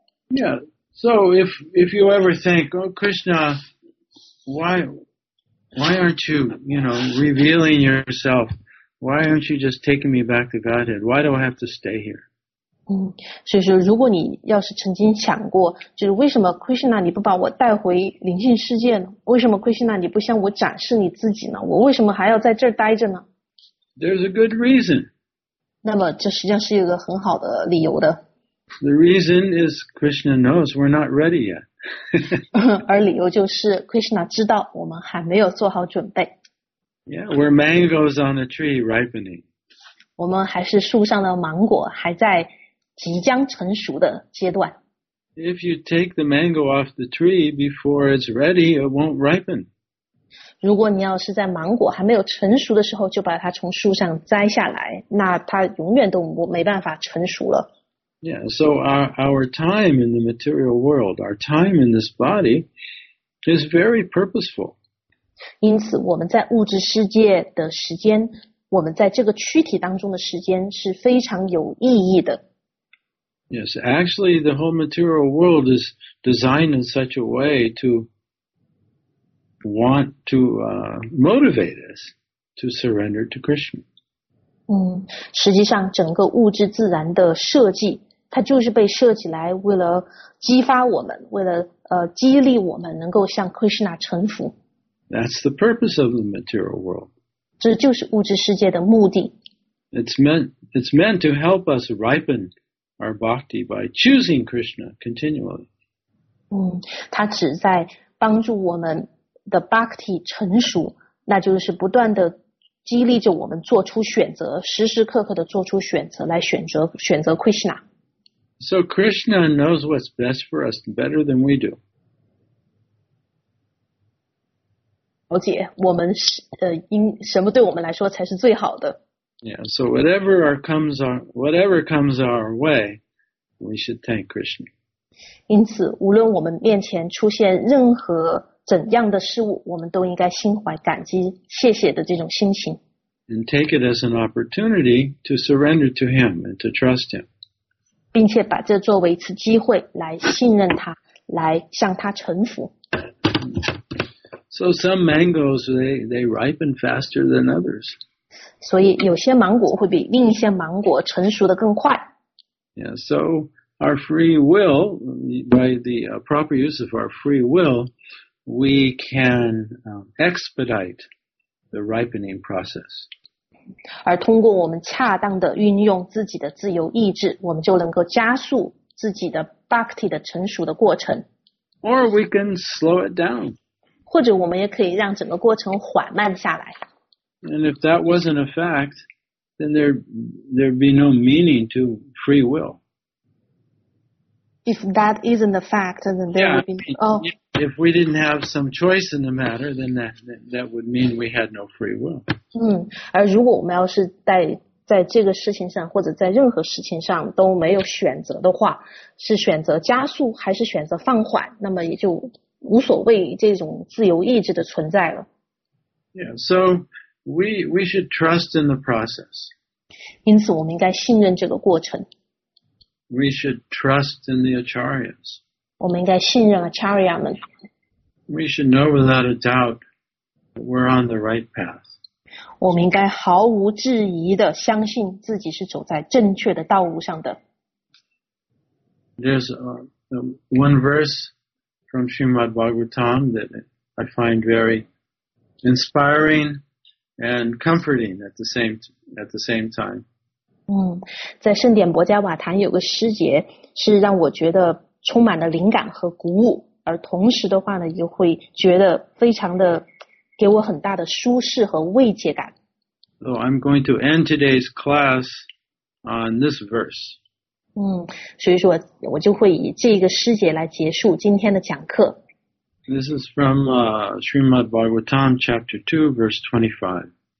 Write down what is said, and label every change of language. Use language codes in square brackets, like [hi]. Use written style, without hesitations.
[en] Yeah. So if you ever think, oh Krishna, why aren't you revealing yourself? Why aren't you just taking me back to Godhead? Why do I have to stay here? [zh] 所以说如果你要是曾经想过，就是为什么 Krishna 你不把我带回灵性世界呢？为什么 Krishna 你不向我展示你自己呢？我为什么还要在这儿待着呢？ [en] There's a good reason. [zh] 那么这实际上是一个很好的理由的。 [en] The reason is Krishna knows we're not ready yet. [zh] 而理由就是 Krishna 知道我们还没有做好准备。 [en] Yeah, we're mangoes on a tree ripening. [zh] 我们还是树上的芒果，还在即将成熟的阶段。 [en] If you take the mango off the tree before it's ready, it won't ripen. [zh] 如果你要是在芒果还没有成熟的时候就把它从树上摘下来，那它永远都没办法成熟了。 [en] Yeah, so our time in the material world, our time in this body is very purposeful. [zh] 因此我们在物质世界的时间，我们在这个躯体当中的时间是非常有意义的。 [en] Yes, actually the whole material world is designed in such a way to want to motivate us to surrender to Krishna. [zh] 嗯，实际上整个物质自然的设计，它就是被设起来为了激发我们，为了激励我们能够向 Krishna 臣服。 [en] That's the purpose of the material world. [zh] 这就是物质世界的目的。 [en] It's meant to help us ripen our bhakti by choosing Krishna continually. [zh] 嗯，它旨在帮助我们的 bhakti 成熟，那就是不断的激励着我们做出选择，时时刻刻的做出选择，来选择 Krishna。 [en] So Krishna knows what's best for us better than we do. [zh] 了解，我们什么对我们来说才是最好的。 [en] Yeah, so whatever comes our way, we should thank Krishna. [zh] 因此，无论我们面前出现任何怎样的事物，我们都应该心怀感激、谢谢的这种心情。 [en] And take it as an opportunity to surrender to Him and to trust Him. [zh] 并且把这作为一次机会来信任他，来向他臣服。 [en] So some mangoes they ripen faster than others. [zh] 所以有些芒果会比另一些芒果成熟的更快。 [en] Yeah, so our free will, by the proper use of our free will, we can expedite the ripening process. [zh] 而通过我们恰当的运用自己的自由意志，我们就能够加速自己的 bhakti 的成熟的过程。 [en] Or we can slow it down. [zh] 或者我们也可以让整个过程缓慢下来。 [en] And if that wasn't a fact, then there'd be no meaning to free will. If that isn't a fact, then there would be If we didn't have some choice in the matter, then that would mean we had no free will. [zh] 而如果我们要是在这个事情上或者在任何事情上都没有选择的话，是选择加速还是选择放缓，那么也就无所谓这种自由意志的存在了。 [en] Yeah, so. We should trust in the process. [zh] 因此我们应该信任这个过程。 [en] We should trust in the acharyas. [zh] 我们应该信任 acharya 们。 [en] We should know without a doubt that we're on the right path. [zh] 我们应该毫无质疑地相信自己是走在正确的道路上的。 [en] There's one verse from Srimad Bhagavatam that I find very inspiring. And comforting at the same time. [zh] 在圣典博加瓦坛有个诗节是让我觉得充满了灵感和鼓舞，而同时的话呢，又会觉得非常的给我很大的舒适和慰藉感。 [en] So I'm going to end today's class on this verse. [zh] 所以说我就会以这个诗节来结束今天的讲课。 [en] This is from Srimad Bhagavatam, chapter 2, verse 25.